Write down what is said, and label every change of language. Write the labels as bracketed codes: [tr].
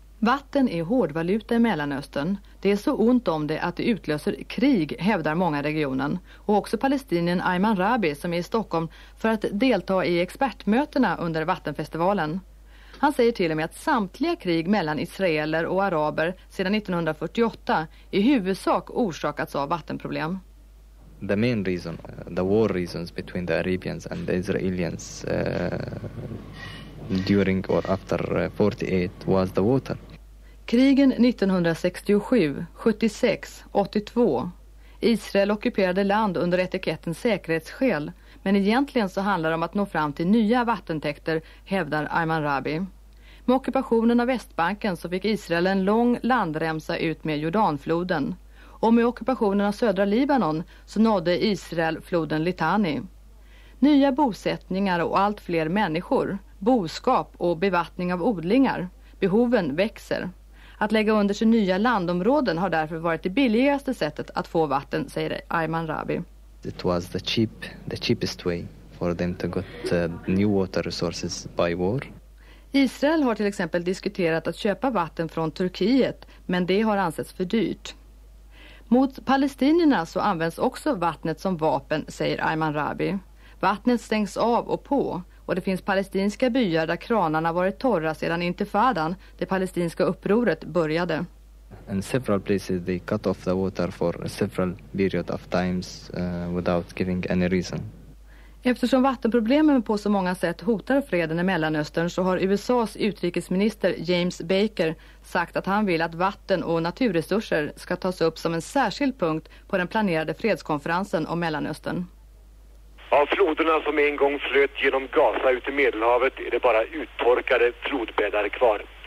[sv] Vatten är hårdvaluta i Mellanöstern. Det är så ont om det att det utlöser krig, hävdar många regionen. Och också palestinien Ayman Rabi som är i Stockholm för att delta i expertmötena under vattenfestivalen. Han säger till och med att samtliga krig mellan israeler och araber sedan 1948 i huvudsak orsakats av vattenproblem. [en] The main reason, the war reasons between the Arabians and the Israelians during or after 48 was the water. [sv] Krigen 1967, 76, 82. Israel ockuperade land under etiketten säkerhetsskäl, men egentligen så handlar det om att nå fram till nya vattentäkter, hävdar Ayman Rabi. Med ockupationen av Västbanken så fick Israel en lång landremsa ut med Jordanfloden. Och med ockupationen av södra Libanon så nådde Israel floden Litani. Nya bosättningar och allt fler människor, boskap och bevattning av odlingar. Behoven växer. Att lägga under sig nya landområden har därför varit det billigaste sättet att få vatten, säger Ayman Rabi. [en] It was the cheapest way for them to get new water resources by war. [sv] Israel har till exempel diskuterat att köpa vatten från Turkiet, men det har ansetts för dyrt. Mot palestinierna så används också vattnet som vapen, säger Ayman Rabi. Vattnet stängs av och på, och det finns palestinska byar där kranarna varit torra sedan intifadan, det palestinska upproret, började. [en] In several places they cut off the water for several period of times without giving any reason. [sv] Eftersom vattenproblemen på så många sätt hotar freden i Mellanöstern så har USA:s utrikesminister James Baker sagt att han vill att vatten och naturresurser ska tas upp som en särskild punkt på den planerade fredskonferensen om Mellanöstern. Av floderna som en gång flöt genom Gaza ut i Medelhavet är det bara uttorkade flodbäddar kvar.